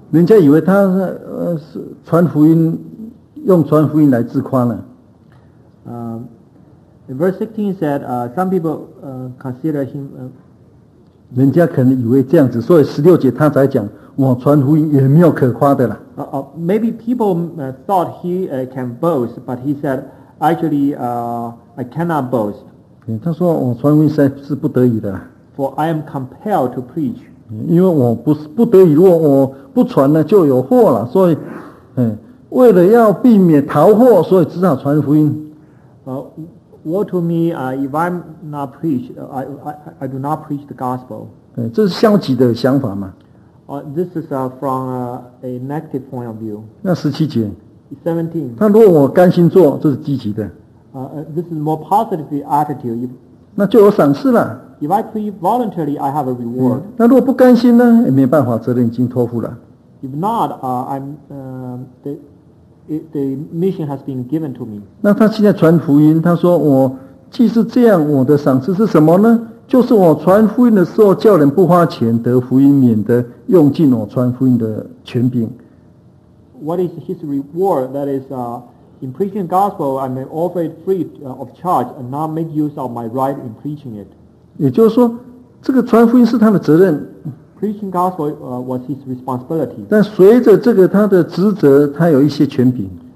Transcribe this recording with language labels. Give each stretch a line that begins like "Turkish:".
Chinese: 人家以为他是传福音，用传福音来自夸了。
English: Verse 16 said, some people consider him.
Chinese: 人家可能以为这样子，所以十六节他才讲，我传福音也没有可夸的了。
English: Maybe people thought he can boast, but he said, actually, I cannot boast.
Chinese: 他说我传福音实在是不得已的。
English: For I am compelled to preach.
Chinese: 因为我不得已，如果我不传呢，就有祸了。所以，为了要避免逃祸，所以只好传福音。
English: Woe to me, if I'm not preached, I do not preach the gospel.
Chinese: 这是消极的想法嘛。
English: This is from a negative point of view.
Chinese: 那十七节。
English: 17.
Chinese: 那如果我甘心做，这是积极的。
English: This is more positive attitude.
Chinese: 那就有赏赐了。
English: If I preach voluntarily, I have a reward.
Chinese: 那如果不甘心呢？也没办法，责任已经托付了。
English: If not, the mission has been given to me.
Chinese: 那他现在传福音，他说我既是这样，我的赏赐是什么呢？就是我传福音的时候，叫人不花钱得福音，免得用尽我传福音的权柄。
English: What is his reward? That is, in preaching gospel, I may offer it free of charge and not make use of my right in preaching it.
Chinese: 也就是说，这个传福音是他的责任。
English: Preaching gospel was his responsibility.
Chinese: 但随着这个他的职责，他有一些权柄。